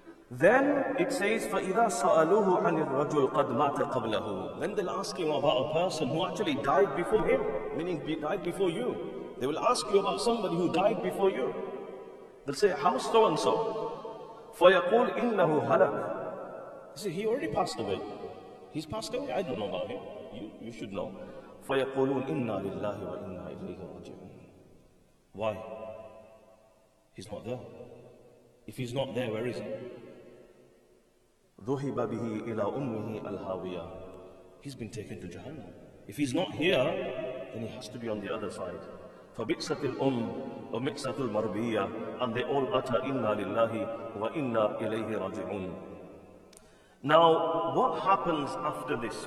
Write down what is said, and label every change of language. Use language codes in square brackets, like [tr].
[en] Then it says, [ar] فَإِذَا سَأَلُوهُ عَنِ الرَّجُلِ قَدْ مَعْتَ قَبْلَهُ [en] Then they'll ask him about a person who actually died before him, meaning died before you. They will ask you about somebody who died before you. They'll say, how so and so? [ar] فَيَقُولْ إِنَّهُ هَلَكْ [en] See, he already passed away. He's passed away? I don't know about him. You should know. [ar] فَيَقُولُونَ إِنَّا لِلَّهِ وَإِنَّا إِلَيْهِ رَجِعُونَ [en] Why? He's not there. If he's not there, where is he? [ar] ذُهِبَ بِهِ إِلَىٰ أُمِّهِ الْهَاوِيَةِ [en] He's been taken to Jahannam. If he's not here, then he has to be on the other side. [ar] فَبِئْسَتِ الْأُمُّ وَبِئْسَتِ الْمَرْبِيَّةِ [en] And they all utter, [ar] إِنَّا لِلَّهِ وَإِنَّا إِلَيْهِ رَجِعُونَ [en] Now, what happens after this?